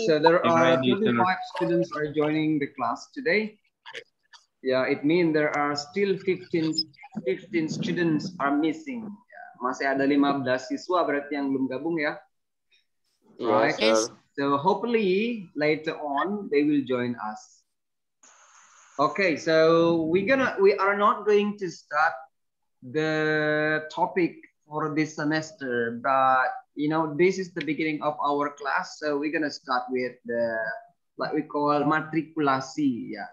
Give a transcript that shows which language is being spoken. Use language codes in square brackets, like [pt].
[en] So there are 25 students are joining the class today. Yeah, it means there are still 15 students are missing. Yeah. [id] Masih ada 15 siswa berarti yang belum gabung ya. [en] Right. Yes. So hopefully later on they will join us. Okay, so we are not going to start the topic for this semester, but you know, this is the beginning of our class, so we're going to start with the, what we call matrikulasi, yeah.